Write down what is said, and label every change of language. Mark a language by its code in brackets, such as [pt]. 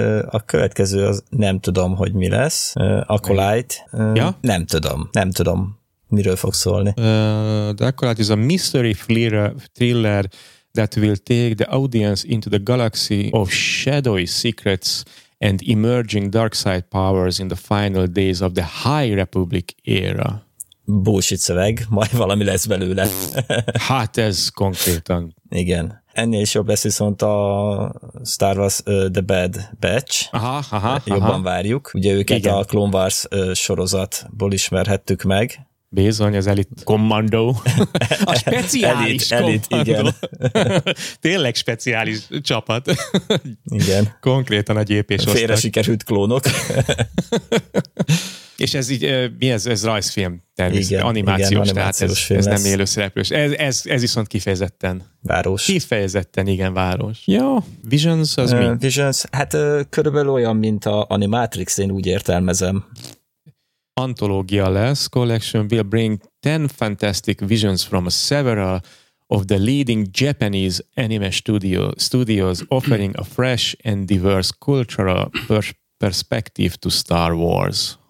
[hu] A következő az nem tudom, hogy mi lesz. Acolyte. Ja? Nem tudom, miről fog szólni. [en] The Acolyte is a mystery thriller that will take the audience into the galaxy of shadowy secrets and emerging dark side powers in the final days of the High Republic era. [hu] Bullshit szöveg, majd valami lesz belőle. Hát ez konkrétan. Igen. Ennél is jobb lesz viszont a Star Wars The Bad Batch. Aha. Jobban várjuk. Ugye őket a Clone Wars sorozatból ismerhettük meg. Bizony, az Elite Commando. A speciális Elite, igen. Tényleg speciális csapat. Igen. Konkrétan a gyépés osztag. Félre sikerült klónok. És ez így, mi ez? Ez rajzfilm, animációs, tehát ez nem élő szereplős. Ez viszont kifejezetten. Város. Kifejezetten, igen, város. Jó. Visions az mi? Visions, hát körülbelül olyan, mint a Animatrix, én úgy értelmezem. Antológia lesz. [en] Collection will bring 10 fantastic visions from several of the leading Japanese anime studios offering a fresh and diverse cultural perspective to Star Wars.